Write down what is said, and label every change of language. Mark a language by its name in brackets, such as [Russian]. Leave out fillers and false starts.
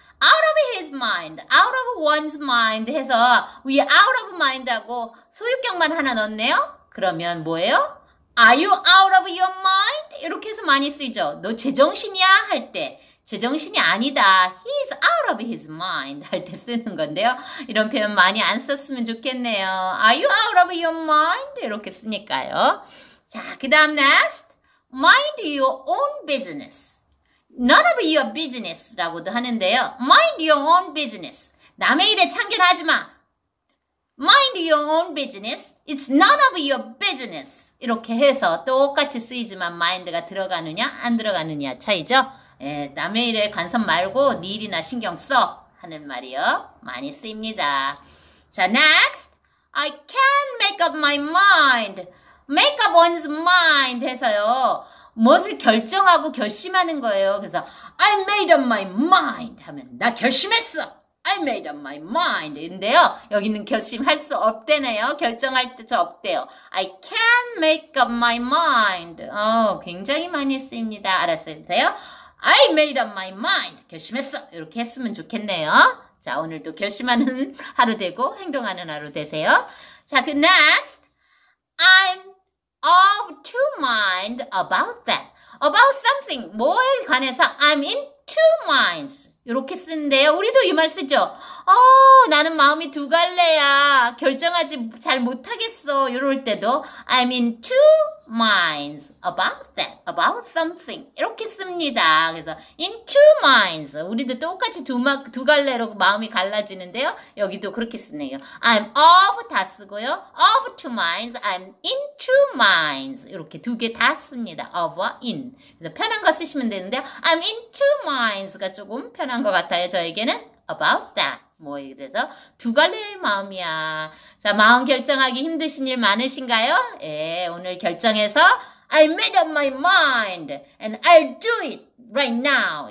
[English] Out of his mind, out of one's mind 해서 we out of mind [Korean] 하고 소유격만 하나 넣었네요. 그러면 뭐예요? [English] Are you out of your mind? [Korean] 이렇게 해서 많이 쓰이죠. 너 제정신이야? 할 때. 제정신이 아니다. [English] He's out of his mind. [Korean] 할때 쓰는 건데요. 이런 표현 많이 안 썼으면 좋겠네요. [English] Are you out of your mind? [Korean] 이렇게 쓰니까요. 자, 그 다음 [English] next. Mind your own business. None of your business [Korean] 라고도 하는데요. [English] Mind your own business. [Korean] 남의 일에 참견하지 마. [English] Mind your own business. It's none of your business. [Korean] 이렇게 해서 똑같이 쓰이지만 마인드가 들어가느냐, 안 들어가느냐 차이죠. 예, 남의 일에 관심 말고 네 일이나 신경 써. 하는 말이요. 많이 쓰입니다. 자, next. [English] I can't make up my mind. Make up one's mind [Korean] 해서요. 무엇을 결정하고 결심하는 거예요. [English] 그래서 I made up my mind [Korean] 하면 나 결심했어. [English] I made up my mind [Korean] 인데요. 여기는 결심할 수 없대네요. 결정할 수 없대요. [English] I can't make up my mind. [Korean] 굉장히 많이 쓰입니다. 알았어요? [English] I made up my mind. [Korean] 결심했어. 이렇게 했으면 좋겠네요. 자, 오늘도 결심하는 하루 되고 행동하는 하루 되세요. 자, 그 next. [English] I'm of two mind about that. About something. [Korean] 뭐에 관해서 [English] I'm in two minds. [Korean] 이렇게 쓰는데요. 우리도 이말 쓰죠. 나는 마음이 두 갈래야. 결정하지 잘 못하겠어. 이럴 때도 [English] I'm in two minds about that. About something. [Korean] 이렇게 씁니다. [English] 그래서 in two minds. [Korean] 우리도 똑같이 두 갈래로 마음이 갈라지는데요. 여기도 그렇게 쓰네요. I'm of 다 쓰고요. [English] Of two minds. I'm in two minds. [Korean] 이렇게 두개다 씁니다. [English] Of와 in. [Korean] 그래서 편한 거 쓰시면 되는데요. [English] I'm in two minds [Korean] 가 조금 편한 것 같아요. 저에게는 [English] about that. [Korean] 뭐, 그래서 두 갈래의 마음이야. 자, 마음 결정하기 힘드신 일 많으신가요? 예, 오늘 결정해서 [English] I made up my mind and I'll do it right now.